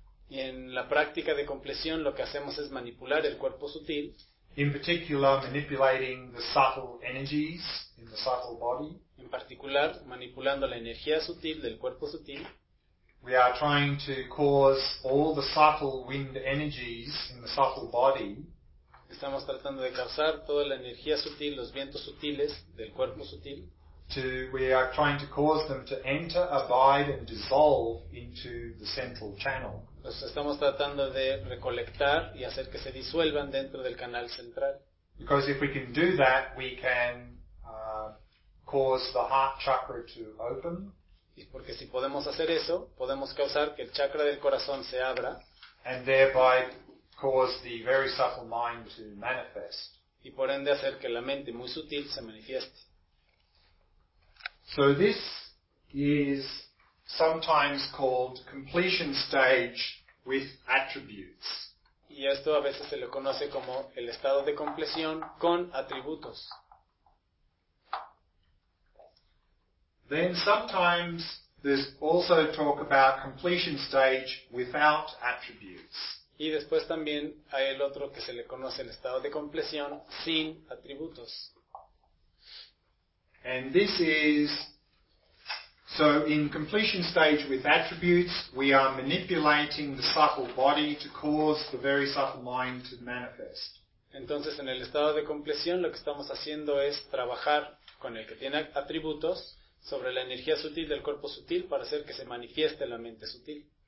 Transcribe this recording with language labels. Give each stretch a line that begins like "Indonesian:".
Spanish: Y en la práctica de completión lo que hacemos es manipular el cuerpo sutil.
English: In particular, manipulating the subtle energies in the subtle body.
Spanish: En particular, manipulando la energía sutil del cuerpo sutil.
English: We are trying to cause all the subtle wind energies in the subtle body.
Spanish: Estamos tratando de causar toda la energía sutil, los vientos sutiles del cuerpo sutil.
English: We are trying to cause them to enter, abide, and dissolve into the central channel.
Spanish: Los estamos tratando de recolectar y hacer que se disuelvan dentro del canal central.
English: Because if we can do that, we can cause the heart chakra to open.
Spanish: Porque si podemos hacer eso, podemos causar que el chakra del corazón se abra
English: and thereby cause the very subtle mind to manifest.
Spanish: Y por ende hacer que la mente muy sutil se manifieste.
English: So this is sometimes called completion stage with attributes.
Spanish: Y esto a veces se le conoce como el estado de compleción con atributos.
English: Then sometimes there's also talk about completion stage without attributes.
Spanish: Y después también hay el otro que se le conoce el estado de compleción sin atributos.
English: And this is, so in completion stage with attributes, we are manipulating the subtle body to cause the very subtle mind to manifest.
Spanish: Entonces en el estado de compleción lo que estamos haciendo es trabajar con el que tiene atributos sobre la energía sutil del cuerpo sutil para hacer que se manifieste la mente sutil.